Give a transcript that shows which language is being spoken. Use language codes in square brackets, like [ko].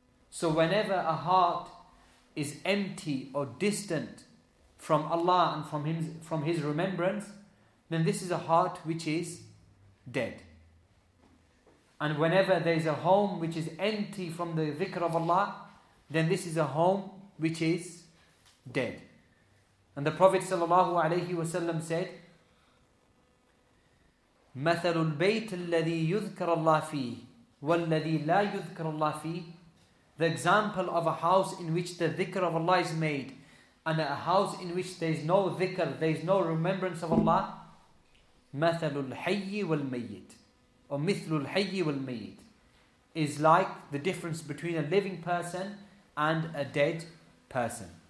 [en] So whenever a heart is empty or distant from Allah and from his remembrance, then this is a heart which is dead. And whenever there is a home which is empty from the dhikr of Allah, then this is a home which is dead. And the Prophet sallallahu alayhi wa sallam said, [ar] مثل البيت الذي يذكر الله فيه والذي لا يذكر الله فيه. [en] The example of a house in which the dhikr of Allah is made and a house in which there is no dhikr, there is no remembrance of Allah. [ar] مثل الحي والميت [en] or [ar] مثل الحي والميت [en] is like the difference between a living person and a dead person.